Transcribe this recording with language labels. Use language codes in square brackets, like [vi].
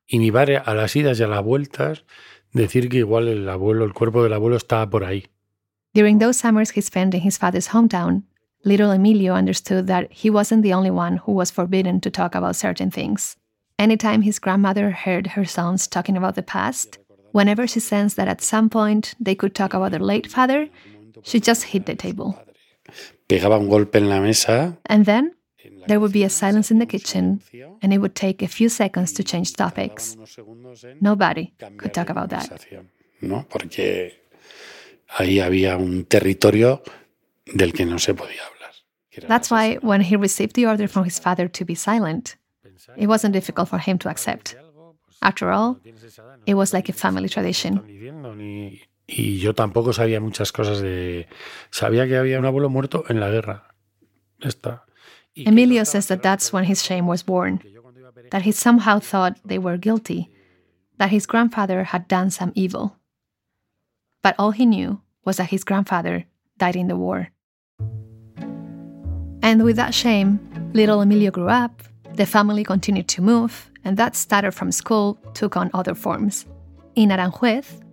[es] Y mi padre, a las idas y a las vueltas, decir que igual el abuelo, el cuerpo del abuelo estaba por ahí. [en] During those summers he spent in his father's hometown, little Emilio understood that he wasn't the only one who was forbidden to talk about certain things. Anytime his grandmother heard her sons talking about the past, whenever she sensed that at some point they could talk about their late father, she just hit the table. [es] Pegaba un golpe en la mesa. [en] And then there would be a silence in the kitchen, and it would take a few seconds to change topics. Nobody could talk about that. [es] No, porque ahí había un territorio del que no se podía hablar. [en] That's why when he received the order from his father to be silent, it wasn't difficult for him to accept. After all, it was like a family tradition. [es] Y yo tampoco sabía muchas cosas de... Sabía que había un abuelo muerto en la guerra. Esta. [en] Emilio says that that's when his shame was born, that he somehow thought they were guilty, that his grandfather had done some evil. But all he knew was that his grandfather died in the war. And with that shame, little Emilio grew up, the family continued to move, and that stutter from school took on other forms. In Aranjuez,